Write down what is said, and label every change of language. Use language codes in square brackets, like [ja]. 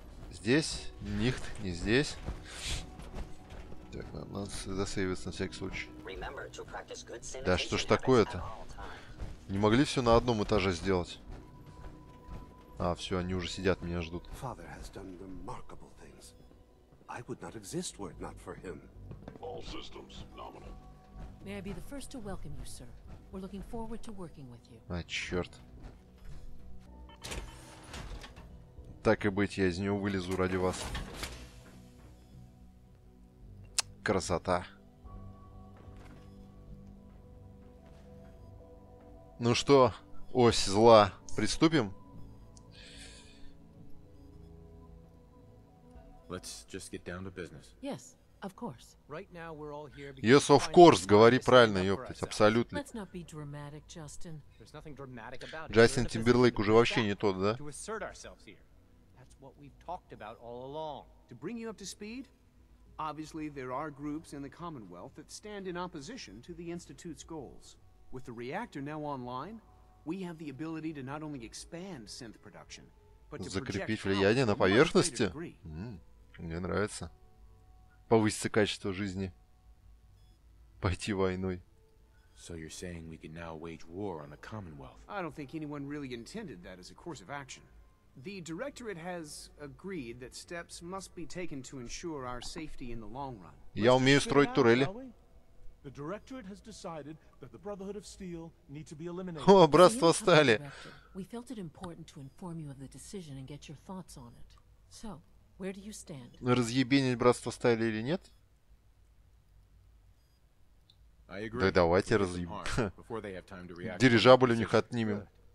[ru] Здесь? Нихт, не здесь. Так, надо засейвиться на всякий случай. Да что ж такое-то? Не могли все на одном этаже сделать? А, все, они уже сидят, меня ждут. [en] Father has done remarkable things. I would not exist were it not for him. All systems nominal. May I be the first to welcome you, sir? We're looking forward to working with you. [ru] А, черт. Так и быть, я из него вылезу ради вас. Красота. Ну что, ось зла, приступим? [en] Let's just get down to business. Yes. Of course. Right now we're all here because... Yes, of course, [ru] говори правильно, ёптать, абсолютно. [en] Let's not be dramatic, Justin. There's nothing dramatic about it. [ru] Джастин Тимберлейк уже вообще не тот, да? [en] To assert ourselves here. That's what we've talked about all along. To bring you up to speed, obviously there are groups in the Commonwealth that stand in opposition to the Institute's goals. With the reactor now online, we have the ability to not only expand synth production, but to project... [ru] Закрепить влияние на поверхности? Мне нравится. Повысится качество жизни. Пойти войной. [en] So you're saying we can now wage war on the Commonwealth? I don't think anyone really intended that as a course of action. The Directorate has agreed that steps must be taken to ensure our safety in the long run. [ru] Я умею строить турели. [en] The Directorate has decided that the Brotherhood of Steel need to be eliminated. [ru] О, братство стали. [en] We felt it important to inform you of the decision and get your thoughts on it. So. Where do you stand? [ru] Разъебенить братство стали или нет? Да давайте разъебем. Дирижабль у них отнимем.